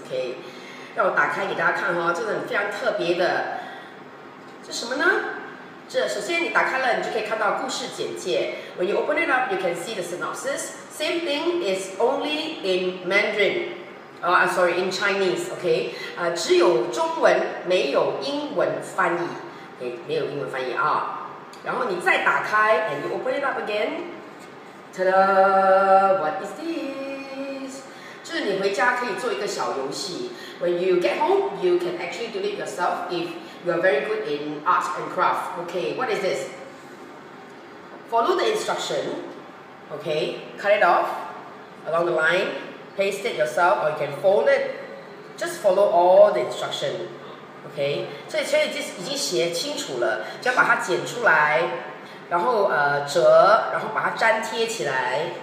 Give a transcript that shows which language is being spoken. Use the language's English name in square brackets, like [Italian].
[Chinese] Okay, 让我打开给大家看哦, 这个很非常特别的, 这什么呢? 这首先你打开了，你就可以看到故事简介。 [English] When you open it up, you can see the synopsis. Same thing is only in Mandarin. Oh, I'm sorry, in Chinese. Okay. [Chinese] 只有中文，没有英文翻译。 Okay, 没有英文翻译啊。然后你再打开, [English] and you open it up again. Ta-da! What is this? [Chinese] 就是你回家可以做一个小游戏。 [English] When you get home, you can actually do it yourself if you are very good in art and craft. Okay, what is this? Follow the instruction. Okay, cut it off along the line. Paste it yourself or you can fold it. Just follow all the instruction. [Chinese] Okay, 所以这已经写清楚了，就要把它剪出来，然后折，然后把它粘贴起来。